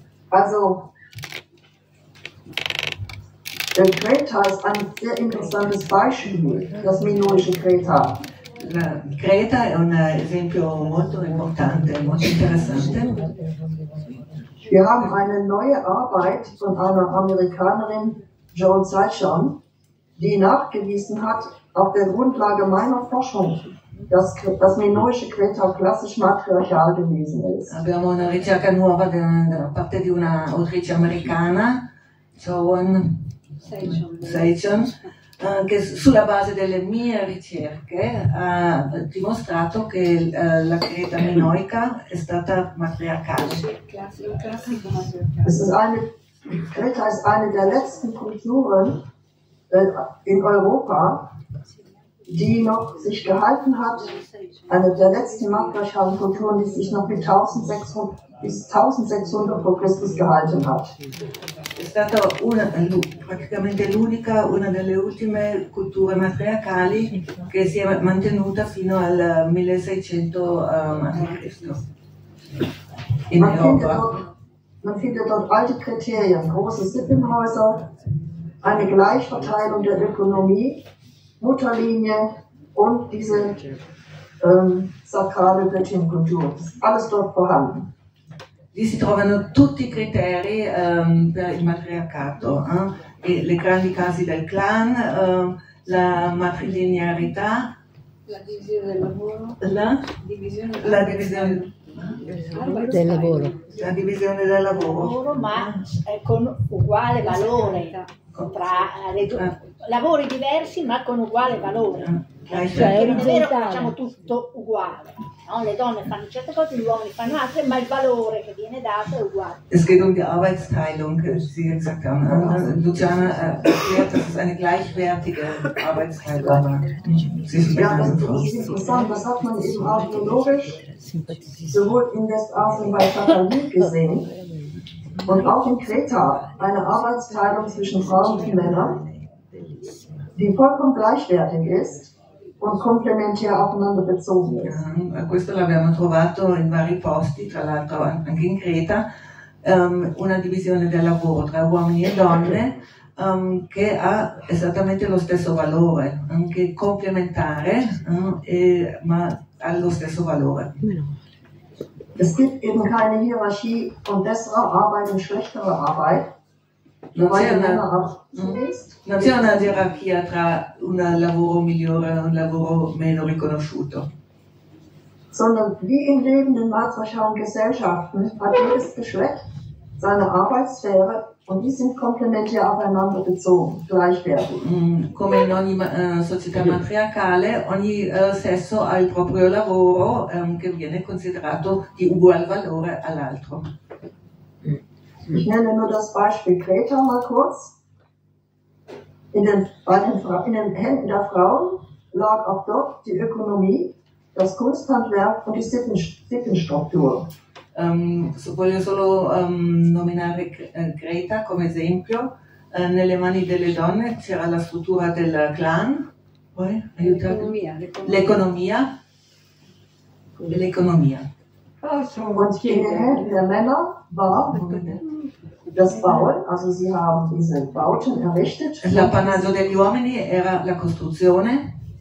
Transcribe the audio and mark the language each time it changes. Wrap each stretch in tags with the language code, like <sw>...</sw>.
<de>Also, der Kreta ist ein sehr interessantes Beispiel, das minoische Kreta.</de> <it>La Kreta è un esempio molto importante, molto interessante.</it> <de>Wir haben eine neue Arbeit von einer Amerikanerin, Joan Sachon, die nachgewiesen hat, auf der Grundlage meiner Forschung, dass das minoische Kreta klassisch matriarchal gewesen ist.</de> <it>Abbiamo una ricerca nuova da parte di una autrice americana, Joan Sachon, che sulla base delle mie ricerche ha dimostrato che la Creta minoica è stata matriarcale. Creta è una delle ultime culture in Europa</it> <de>die noch sich gehalten hat, eine der letzten matriarchalen Kulturen, die sich noch bis 1600 vor Christus gehalten hat.</de> <it>È stata praticamente l'unica, una delle ultime culture matriarcali che si è mantenuta fino al 1600 a.C. in Europa.</it> <de>Man findet dort alte Kriterien, große Sippenhäuser, eine Gleichverteilung der Ökonomie, Mutterlinie und diese sacrale Göttinnenkultur. Alles dort vorhanden.</de> <it>Lì si trovano tutti i criteri per il matriarcato, le grandi case del clan, la matrilinearità, la divisione del lavoro, ma con uguale valore, lavori diversi ma con uguale valore. Cioè, è vero, facciamo tutto uguale, no? Le donne fanno certe cose, gli uomini fanno altre, ma il valore che viene dato è uguale.</it> <de>Es geht um die Arbeitsteilung, sie hat gesagt, Luciana erklärt, dass es eine gleichwertige Arbeitsteilung war. Ja, das ist interessant, das hat man eben auch biologisch sowohl in Westasien bei Tatalik gesehen und auch in Kreta, eine Arbeitsteilung zwischen Frauen und Männern, die vollkommen gleichwertig ist.</de> <it>Questo l'abbiamo trovato in vari posti, tra l'altro anche in Creta, una divisione del lavoro tra uomini e donne che ha esattamente lo stesso valore, anche complementare, ma ha lo stesso valore.</it> <de>Es gibt eben keine Hierarchie von bessere Arbeit und schlechtere Arbeit.</de> <it>Non c'è una gerarchia tra un lavoro migliore e un lavoro meno riconosciuto.</it> <de>Sondern wie in lebenden matriarchalen Gesellschaften hat jedes Geschlecht seine Arbeitssphäre und die sind komplementär aufeinander bezogen, gleichwertig.</de> <it>Come in ogni società matriarcale, ogni sesso ha il proprio lavoro che viene considerato di ugual valore all'altro.</it> <de>Ich nenne nur das Beispiel Kreta mal kurz. In den beiden Händen der Frauen lag auch dort die Ökonomie, das Kunsthandwerk und die Sittenstruktur.</de> <it>Voglio solo nominare Greta come esempio. Nelle mani delle donne c'era la struttura del clan, poi l'economia.</it> <de>Und in den Händen der Männer war das Bauen, also sie haben diese Bauten errichtet.</de> <it>L'appannaggio degli uomini era la costruzione.</it>